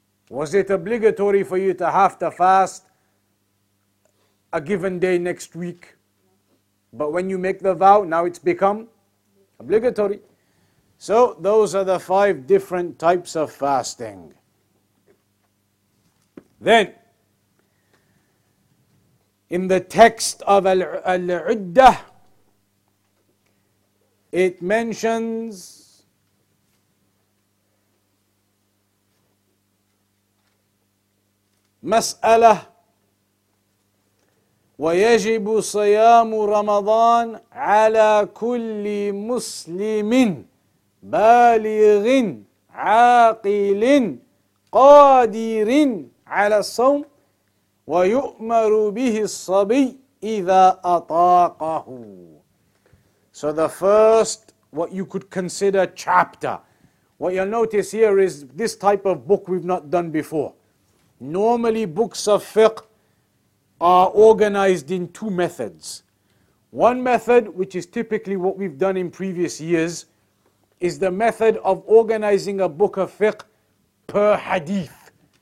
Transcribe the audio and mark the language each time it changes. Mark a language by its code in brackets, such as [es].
[en] Was it obligatory for you to have to fast a given day next week? But when you make the vow, now it's become obligatory. So those are the five different types of fasting. Then, in the text of Al-Uddah, it mentions [ar] مسألة ويجب صيام رمضان على كل مسلم بالغ عاقل قادر على الصوم ويؤمر به الصبي إذا أطاقه. [en] So the first, what you could consider chapter. What you'll notice here is this type of book we've not done before. Normally books of fiqh are organized in two methods. One method, which is typically what we've done in previous years, is the method of organizing a book of fiqh per hadith.